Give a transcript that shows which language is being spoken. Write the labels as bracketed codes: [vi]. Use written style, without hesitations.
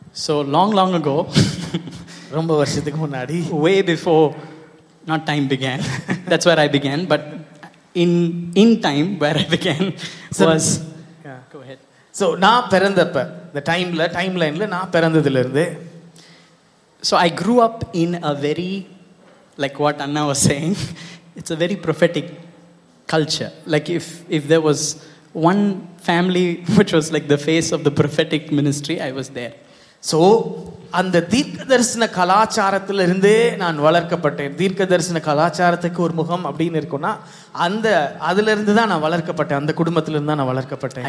[en] So long ago, [ta] ரொம்ப வருஷத்துக்கு முன்னாடி, [en] way before not time began, that's where I began, but in time where I began was go ahead. [ta] So na perandappa the timeline la na perandadhil irundhe. [en] So I grew up in a very, like what Anna was saying, it's a very prophetic culture. Like if there was one family which was like the face of the prophetic ministry, I was there. So [ta] அந்த தீர்க்க தரிசன கலாச்சாரத்துல இருந்தே நான் வளர்க்கப்பட்டேன். தீர்க்க தரிசன கலாச்சாரத்துக்கு ஒரு முகம் அப்படின்னு இருக்கும்னா அந்த அதுல இருந்து தான் நான் வளர்க்கப்பட்டேன். அந்த குடும்பத்துல இருந்து தான் நான் வளர்க்கப்பட்டேன்.